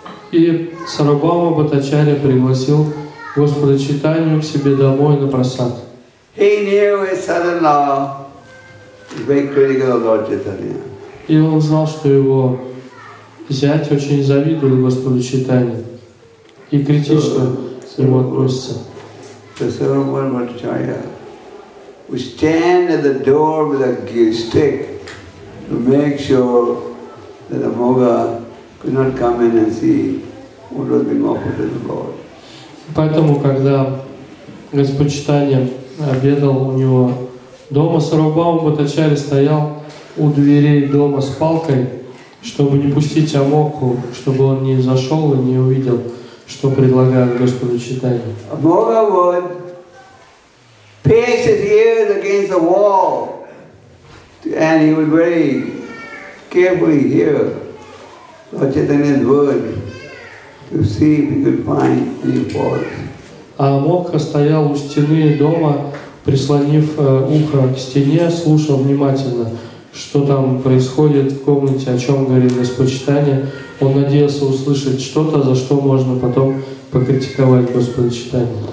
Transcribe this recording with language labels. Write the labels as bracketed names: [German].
[Russian] И Сарвабхаума Бхаттачарья пригласил Господа Чайтанью к себе домой на прасад. [English] He knew his son-in-law. Very critical of Lord Chaitanya. [Russian] И он знал, что его зять очень завидует Господу Чайтанье и критично к нему относится. [English] So Sarvabhauma Bhattacharya would stand at the door with a stick to make sure that Amogha could not come in and see what was being offered to the Lord. [Russian] Поэтому, когда Господь Чайтанья обедал у него дома, Сарвабхаума Бхаттачарья стоял у дверей дома с палкой, чтобы не пустить Амокху, чтобы он не зашел и не увидел, что предлагают Господу Чайтанье. [English] Амокха would pierce his ears against the wall, and he would very carefully hear Lord Chaitanya's word to see if he could find any fault. [Russian] А Амокха стоял у стены дома, прислонив ухо к стене, слушал внимательно, что там происходит в комнате, о чем говорит Господь Чайтанья. Он надеялся услышать что-то, за что можно потом покритиковать Господа Чайтанья.